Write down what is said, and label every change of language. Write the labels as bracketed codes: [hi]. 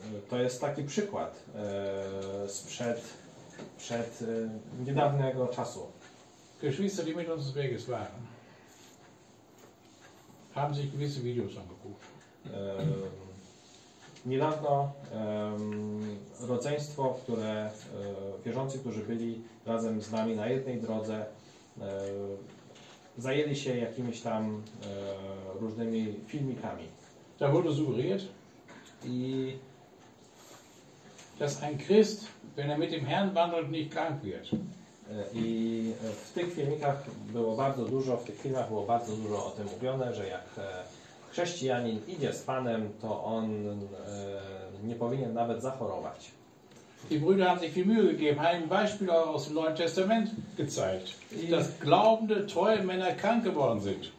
[pl] To jest taki przykład sprzed niedawnego czasu. [de] Geschwister, die mit uns des Weges waren, haben sich gewisse Videos angeguckt. [pl] Niedawno rodzeństwo, które wierzący, którzy byli razem z nami na jednej drodze, zajęli się jakimiś tam różnymi filmikami. [de] Da wurde sugeriert, [pl] i [de] dass ein Christ, wenn mit dem Herrn wandelt, nicht krank wird. [pl] I w tych filmikach było bardzo dużo, w tych filmach było bardzo dużo o tym mówione, że jak chrześcijanin idzie z Panem, to on nie powinien nawet zachorować. [de] Die Brüder haben sich viel Mühe gegeben, haben ein Beispiel aus dem Neuen Testament gezeigt, dass glaubende, treue Männer krank geworden sind.